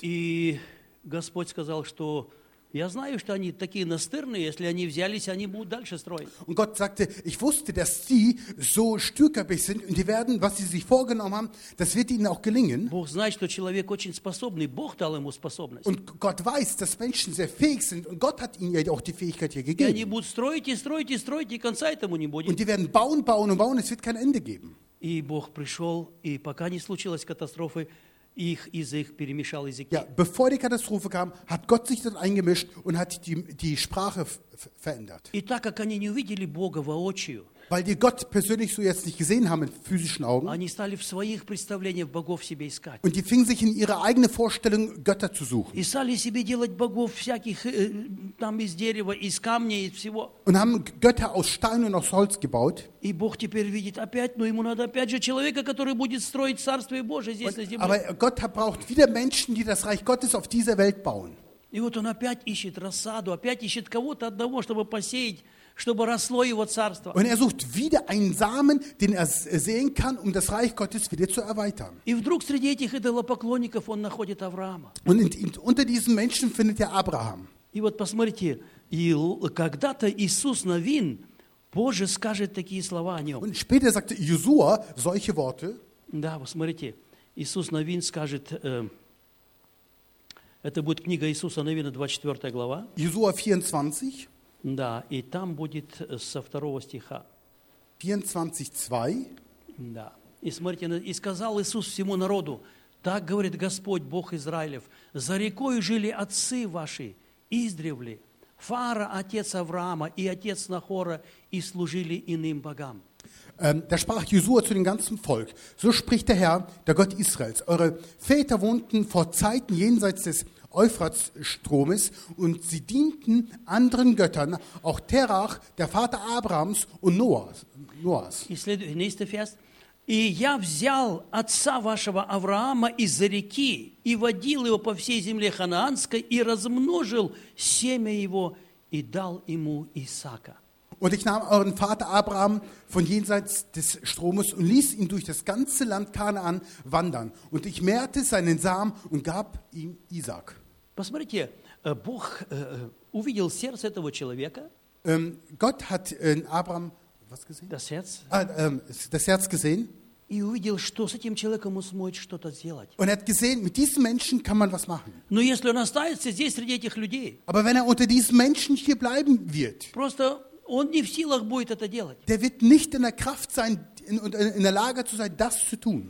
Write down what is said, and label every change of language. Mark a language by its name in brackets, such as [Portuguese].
[Russian] И Господь сказал, что я знаю, что они такие настырные, если они взялись, они будут дальше строить. [German] Und Gott sagte, ich wusste, dass sie so stürkerbig sind und die werden, was sie sich vorgenommen haben, das wird ihnen auch gelingen. [Russian] Бог знает, что человек очень способный, Бог дал ему способность. [German] Und Gott weiß, dass Menschen sehr fähig sind und Gott hat ihnen ja auch die Fähigkeit hier gegeben. [Russian] И они будут строить и строить и строить и конца этому не будет. [German] Und die werden bauen, bauen und bauen, es wird kein Ende geben. [Russian] И Бог пришел, и пока не случилась катастрофы, их язык перемешал языки. [German] Ja, bevor die Katastrophe kam, hat Gott sich dort eingemischt und hat die Sprache verändert. [Russian] И так как они не увидели Бога воочию, [German] weil die Gott persönlich so jetzt nicht gesehen haben mit physischen Augen, [Russian] они стали в своих представлениях богов себе искать. [German] Und die fingen sich in ihre eigene Vorstellung Götter zu suchen. [Russian] И стали себе делать богов всяких там из дерева, из камня и всего. [German] Und haben Götter aus Stein und aus Holz gebaut. [Russian] И Бог теперь видит опять, но ему надо опять же человека, который будет строить царствие Божие здесь на земле. [German] Aber Gott braucht wieder Menschen, die das Reich Gottes auf dieser Welt bauen. [Russian] И вот он опять ищет рассаду, опять ищет кого-то одного, чтобы посеять. Чтобы росло его царство. [German] Und er sucht wieder einen Samen, den er sehen kann, um das Reich Gottes wieder zu erweitern. [Russian] И вдруг среди этих идолопоклонников он находит Авраама. [German] Und unter diesen Menschen findet er Abraham. [Russian] И вот посмотрите, и когда-то Иисус Навин, Боже скажет такие слова о нем. [German] Und später sagte Josua solche Worte. [Russian] Да, посмотрите, Иисус Навин скажет, это будет книга Иисуса Навина, 24 глава. [German] Josua 24. [Russian] Да, и там будет со второго стиха. 24:2. Да. И смотрите, и сказал Иисус всему народу: так говорит Господь Бог Израилев: за рекой жили отцы ваши издревле, Фара отец Авраама и отец Нахора, и служили иным богам. [German] Da sprach Josua zu dem ganzen Volk: so spricht der Herr, der Gott Israels: eure Väter wohnten vor Zeiten jenseits des Euphratstromes und sie dienten anderen Göttern, auch Terach, der Vater Abrahams und Noahs. Nächster Vers. [Russian] И я взял отца вашего Авраама из-за реки и водил его по всей земле Ханаанской и размножил семя его и дал ему Исаака. [German] Und ich nahm euren Vater Abraham von jenseits des Stromes und ließ ihn durch das ganze Land Kanaan wandern. Und ich mehrte seinen Samen und gab ihm Isaac. [Russian] Посмотрите, Бог увидел сердце этого человека. [German] Gott hat Abraham was gesehen? Das Herz. Das Herz gesehen. [Russian] И увидел, что с этим человеком он сможет что-то сделать. [German] Und er hat gesehen, mit diesem Menschen kann man was machen. [Russian] Но если он останется здесь среди этих людей. [German] Aber wenn er unter diesen Menschen hier bleiben wird. [Russian] Просто он не в силах будет это делать. [German] Der wird nicht in der Kraft sein, in der Lage zu sein, das zu tun.